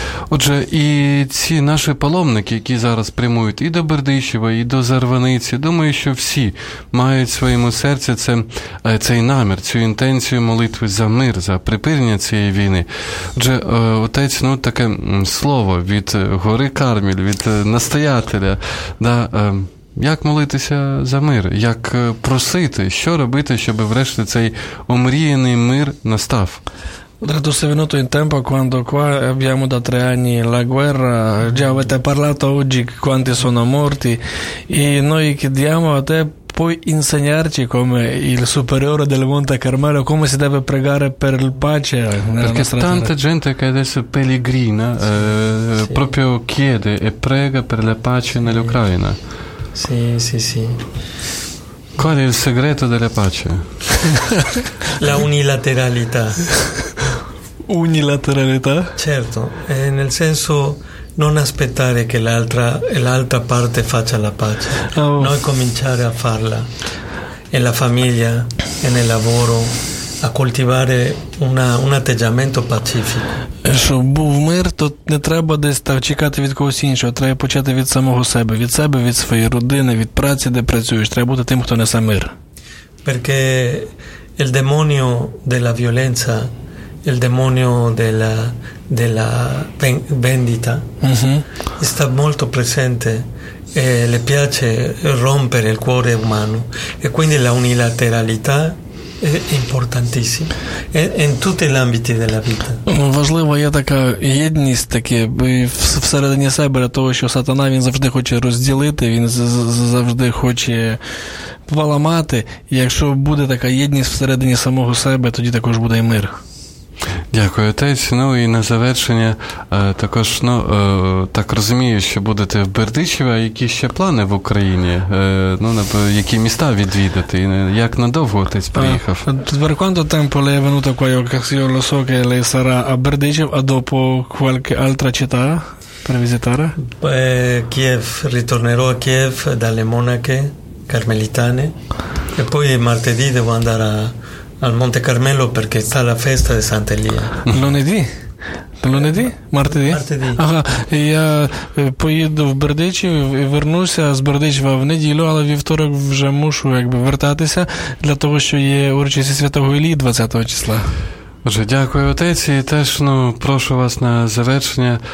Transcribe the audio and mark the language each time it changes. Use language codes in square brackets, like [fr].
[uk] Отже, і ці наші паломники, які зараз прямують і до Бердичева, і до Зарваниці, думаю, що всі мають в своєму серці цей намір, цю інтенцію молитви за мир, за припинення цієї війни. Отже, отець, ну таке слово від гори Кармель, від настоятеля, да, як молитися за мир, як просити, що робити, щоб врешті цей омріяний мир настав? [it] Dato sei venuto in tempo quando qua abbiamo da 3 anni la guerra, già avete parlato oggi quanti sono morti e noi chiediamo a te puoi insegnarci come il superiore del Monte Carmelo come si deve pregare per la pace nella perché tanta terra. Gente che adesso pellegrina sì. Proprio chiede e prega per la pace nell'Ucraina. Sì. Qual è il segreto della pace? La unilateralità. Unilateralità? Certo, nel senso non aspettare che l'altra parte faccia la pace, noi cominciare a farla nella famiglia, nel lavoro, a coltivare un atteggiamento pacifico. [uk] Щоб був мир, то не треба десь так чекати від когось іншого, треба почати від самого себе, від себе, від своєї родини, від праці, де працюєш, треба бути тим, хто несе мир. [it] Perché il demonio della violenza, il demonio della vendita, sta molto presente e le piace rompere il cuore umano e quindi la unilateralità è importantissima in tutti gli ambiti della vita. [uk] Важливо є така єдність таке всередині себе для того, що сатана він завжди хоче розділити, він завжди хоче поламати. Якщо буде така єдність всередині самого себе, тоді також буде і мир. Дякую, отець. Ну і на завершення також, ну, так розумію, що будете в Бердичеві, а які ще плани в Україні? Ну, які міста відвідати? Як надовго отець приїхав? [it] Per quanto tempo lei è venuto qua? Io lo so che lei sarà a Бердичев, а dopo qualche altra città per visitare? Kiev, ritornerò a Kiev dalle monache carmelitane e poi martedì devo andare al Monte Carmelo perché sta la festa di Sant'Elia. Lunedì? Лунеді? Мартеді? Мартеді. [uk] Ага, я поїду в Бердичі і вернуся з Бердичева в неділю, але вівторок вже мушу якби вертатися для того, що є урочисті Святого Ілії 20-го числа. Отже, дякую, отець, і теж, ну, прошу вас на завершення.